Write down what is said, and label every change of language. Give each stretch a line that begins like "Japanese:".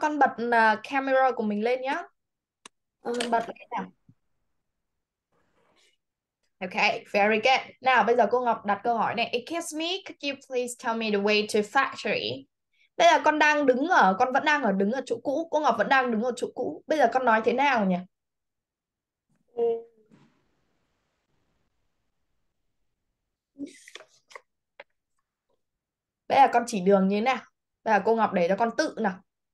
Vietnamese: con bật camera của mình lên nhá. Bật
English: story?
Vietnamese: lên nào.
English: Okay, very good.
Vietnamese: Now, bây giờ cô Ngọc đặt câu hỏi này.
English: Excuse me, could you please tell me the way to factory?
Vietnamese: Đây là con vẫn đang ở đứng ở chỗ cũ. Cô Ngọc vẫn đang đứng ở chỗ cũ. Bây giờ con nói thế nào nhỉ? Bây giờ con chỉ đường như thế nào? Bây giờ cô Ngọc để cho con tự nào.